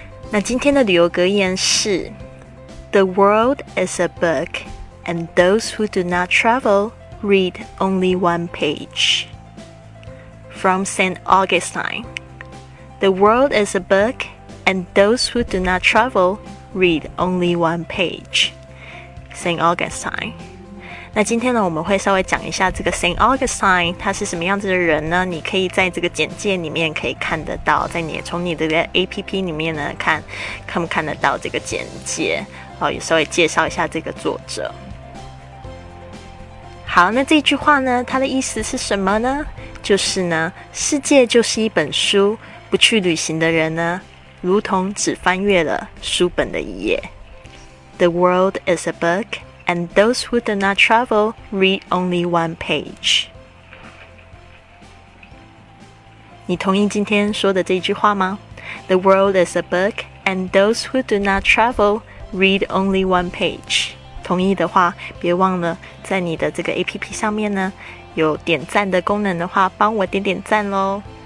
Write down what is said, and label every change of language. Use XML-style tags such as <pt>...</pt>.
<zh>那今天的旅游格言是</zh> <en>The world is a book, and those who do not travel read only one page.</en> <zh>From St. Augustine.</zh> <en>The world is a book, and those who do not travelRead only one page, St. Augustine.</en> <zh>那今天呢，我们会稍微讲一下这个 St. Augustine， 他是什么样子的人呢？你可以在这个简介里面可以看得到，在你从你的 APP 里面呢看不看得到这个简介，也稍微介绍一下这个作者。好，那这句话呢，它的意思是什么呢？就是呢，世界就是一本书，不去旅行的人呢，如同只翻阅了书本的一页。</zh> <en>The world is a book, and those who do not travel read only one page.</en> <zh>你同意今天说的这句话吗？</zh> <en>The world is a book, and those who do not travel read only one page.</en> <zh>同意的话，别忘了在你的这个 APP 上面呢，有点赞的功能的话，帮我点点赞咯。</zh>